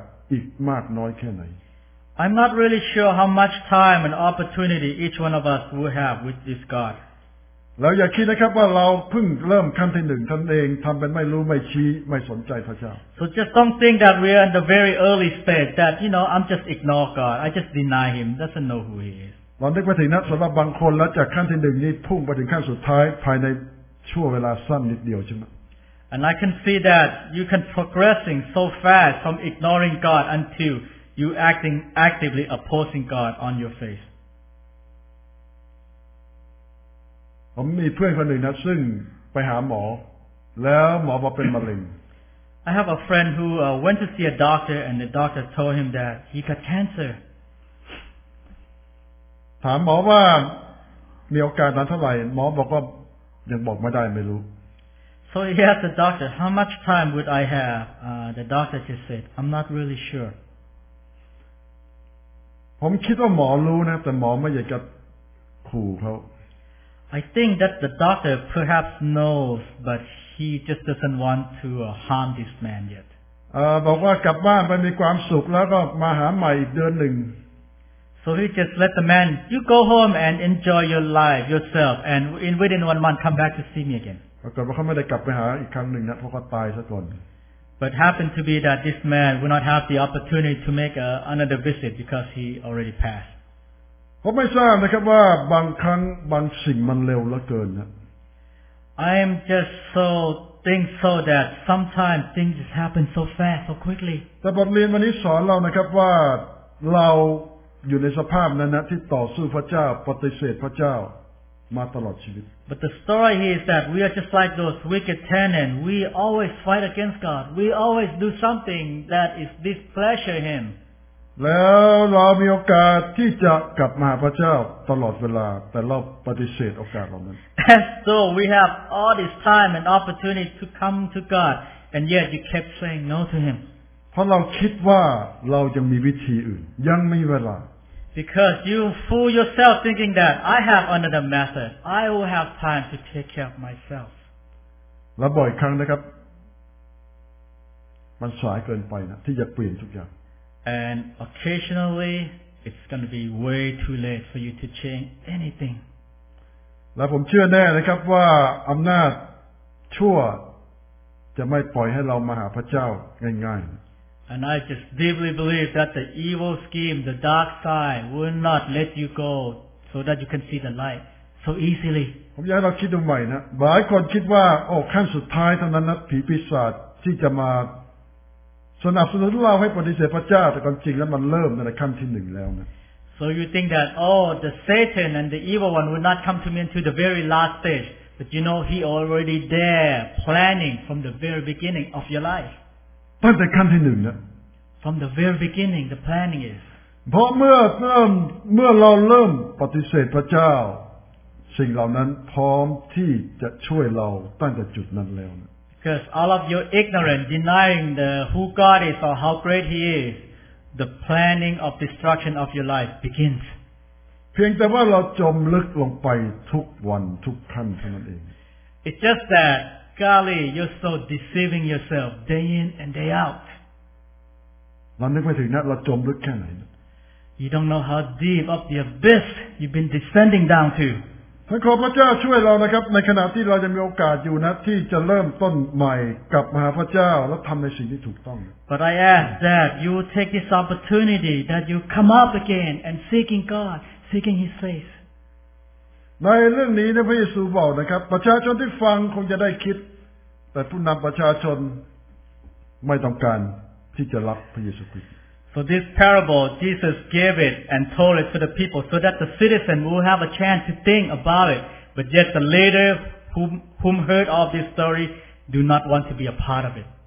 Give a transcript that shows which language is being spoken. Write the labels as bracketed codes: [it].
[en] I'm not really sure how much time and opportunity each one of us will have with this God. [th] แล้วอย่าคิดนะครับว่าเราเพิ่งเริ่มขั้นที่หนึ่งท่านเองทำเป็นไม่รู้ไม่ชี้ไม่สนใจพระเจ้า [en] So just don't think that we are in the very early stage that you know I'm just ignore God I just deny Him doesn't know who He is [th] ลองนึกไปถึงนะสำหรับบางคนแล้วจากขั้นที่หนึ่งนี้พุ่งไปถึงขั้นสุดท้ายภายในช่วงเวลาสั้นนิดเดียวใช่ไหม [en] And I can see that you can progressing so fast from ignoring God until you acting actively opposing God on your face [th] ผมมีเพื่อนคนหนึ่งนะซึ่งไปหาหมอแล้วหมอบอกเป็นมะเร็ง [en] I have a friend who went to see a doctor and the doctor told him that he got cancer [th] ถามหมอว่ามีโอกาสนานเท่าไหร่หมอบอกว่ายังบอกไม่ได้ไม่รู้ [en] So he asked the doctor how much time would I have the doctor just said I'm not really sure [th] ผมคิดว่าหมอรู้นะแต่หมอไม่อยากจะขู่เขา [en] I think that the doctor perhaps knows, but he just doesn't want to harm this man yet. [th] บอกว่ากลับบ้านไปมีความสุขแล้วก็มาหาใหม่อีกเดือนหนึ่ง [en] So he just let the man, you go home and enjoy your life yourself, and in within 1 month come back to see me again. [th] ปรากฏว่าเขาไม่ได้กลับไปหาอีกครั้งหนึ่งนะเพราะเขาตายซะก่อน [en] But happened to be that this man would not have the opportunity to make another visit because he already passed. [th] ผมไม่ทราบนะครับว่าบางครั้งบางสิ่งมันเร็วเหลือเกินนะ [en] I'm just so think so that sometimes things just happen so fast so quickly [th] แต่บทเรียนวันนี้สอนเรานะครับว่าเราอยู่ในสภาพนั้นนะที่ต่อสู้พระเจ้าปฏิเสธพระเจ้ามาตลอดชีวิต [en] But the story here is that we are just like those wicked tenants we always fight against God we always do something that is displeasure Him [th] แล้วเรามีโอกาสที่จะกลับมาหาพระเจ้าตลอดเวลาแต่เราปฏิเสธโอกาสเหล่านั้น [en] So we have all this time and opportunity to come to God and yet you kept saying no to him [th] เพราะเราคิดว่าเรายังมีวิธีอื่นยังมีเวลา [en] Because you fool yourself thinking that I have another method I will have time to take care of myself [th] แล้วบ่อยครั้งนะครับมันสายเกินไปนะที่จะเปลี่ยนทุกอย่าง [en] And occasionally, it's going to be way too late for you to change anything. [th] และผมเชื่อแน่นะครับว่าอำนาจชั่วจะไม่ปล่อยให้เรามาหาพระเจ้าง่าย [en] ๆ And I just deeply believe that the evil scheme, the dark side, will not let you go so that you can see the light so easily. [th] ผมอยากให้เราคิดดูใหม่นะหลายคนคิดว่าโอ้ขั้นสุดท้ายเท่านั้นนะผีปีศาจที่จะมาสนับสนุนเราให้ปฏิเสธพระเจ้าแต่ความจริงแล้วมันเริ่มในขั้นที่หนึ่งแล้วนะ [en] So you think that oh the Satan and the evil one would not come to me until the very last stage but you know he already there planning from the very beginning of your life [th] ตั้งแต่ขั้นที่หนึ่งนะ [en] From the very beginning the planning is [th] เพราะเมื่อเราเริ่มปฏิเสธพระเจ้าสิ่งเหล่านั้นพร้อมที่จะช่วยเราตั้งแต่จุดนั้นแล้วนะ [en] Because all of your ignorance, denying the who God is or how great He is, the planning of destruction of your life begins. [th] เพียงแต่ว่าเราจมลึกลงไปทุกวันทุกขั้นเท่านั้นเอง [en] It's just that, golly, you're so deceiving yourself day in and day out. [th] เรานึกไม่ถึงนะเราจมลึกแค่ไหน [en] You don't know how deep up the abyss you've been descending down to. [th] ท่านขอพระเจ้าช่วยเรานะครับในขณะที่เราจะมีโอกาสอยู่นะที่จะเริ่มต้นใหม่กลับมาหาพระเจ้าและทำในสิ่งที่ถูกต้อง [en] But I ask that you take this opportunity that you come up again and seeking God, seeking His face. [th] ในเรื่องนี้นะพระเยซูบอกนะครับประชาชนที่ฟังคงจะได้คิดแต่ผู้นำประชาชนไม่ต้องการที่จะรับพระเยซูคริสต์ [en] So this parable, Jesus gave it and told it to the people so that the citizen will have a chance to think about it. But yet the leader whom heard of this story do not want to be a part of it.